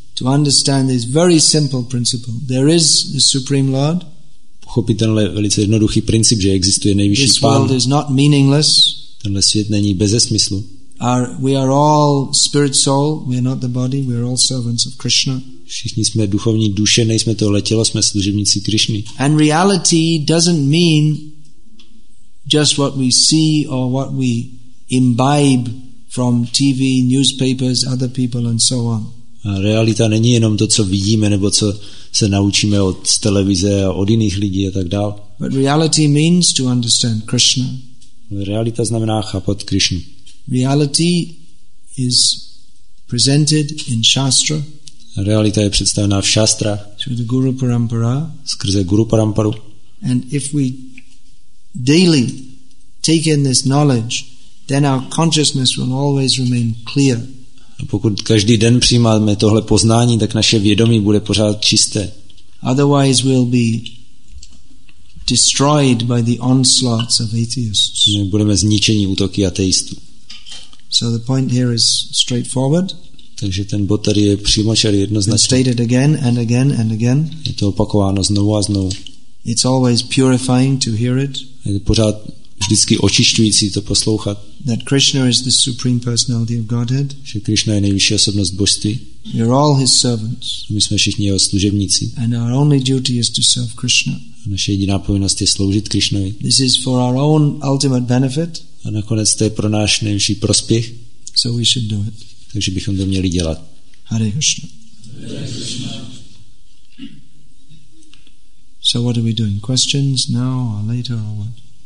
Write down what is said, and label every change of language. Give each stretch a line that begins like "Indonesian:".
English: To understand this very simple principle, there is the Supreme Lord.
Czech: Pochopit tenhle velice jednoduchý princip, že existuje nejvyšší
English: this
Czech: pán.
English: This world is not meaningless.
Czech: Tenhle svět není beze smyslu.
English: We are all spirit soul, we are not the body, we are all servants of Krishna.
Czech: Všichni jsme duchovní duše, nejsme tohle tělo, jsme služebníci Krishny.
English: And reality doesn't mean just what we see or what we imbibe from TV, newspapers, other people and so on.
Czech: A realita není jenom to, co vidíme nebo co se naučíme od televize a od jiných lidí a tak dál.
English: But reality means to understand Krishna.
Czech: Realita znamená chápat Krishnu.
English: Reality is presented in Shastra.
Czech: Realita je představená v Shastra.
English: Through the Guru Parampara.
Czech: Skrze Guru Paramparu.
English: And if we daily take in this knowledge, then our consciousness will always remain clear.
Czech: A pokud každý den přijímáme tohle poznání, tak naše vědomí bude pořád čisté.
English: Otherwise we'll be destroyed by the onslaughts of atheists.
Czech: Ne, budeme zničeni útoky ateistů.
English: So the point here is straightforward.
Czech: Takže ten bod tady je přímočarý, jednoznačný.
English: It's stated again and again and again.
Czech: Je to opakováno znovu a znovu.
English: It's always purifying to hear it.
Czech: Je pořád vždycky očišťující to poslouchat.
English: That Krishna is the supreme personality of Godhead.
Czech: Že Krishna je nejvyšší osobnost božství.
English: We are all his servants.
Czech: My jsme všichni jeho služebníci.
English: And our only duty is to serve Krishna.
Czech: A naše jediná povinnost je sloužit Krishnovi.
English: This is for our own ultimate benefit.
Czech: A nakonec to je pro náš nejvyšší prospěch.
English: So we should do it.
Czech: Takže bychom to měli dělat.
Sanskrit: Hare Krishna.
English: So what are we doing? Questions now or later or what?